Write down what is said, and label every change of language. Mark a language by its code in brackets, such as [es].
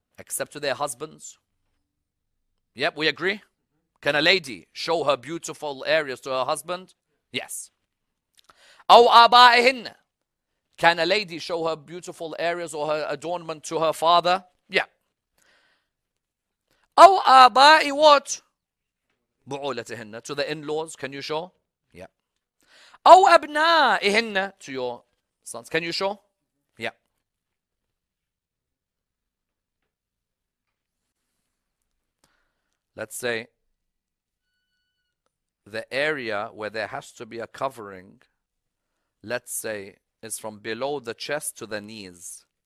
[en] Except to their husbands. Yep, we agree. Can a lady show her beautiful areas to her husband? [ar] Yes. أو آبائهنَّ. [en] Can a lady show her beautiful areas or her adornment to her father? Yeah. [ar] أو آبائي what? بُعُولَتِهِنَّ. [en] To the in-laws, can you show? [ar] Yeah. أو أبنائهنَّ. [en] To your sons, can you show? Yeah. Let's say the area where there has to be a covering, let's say, is from below the chest to the knees.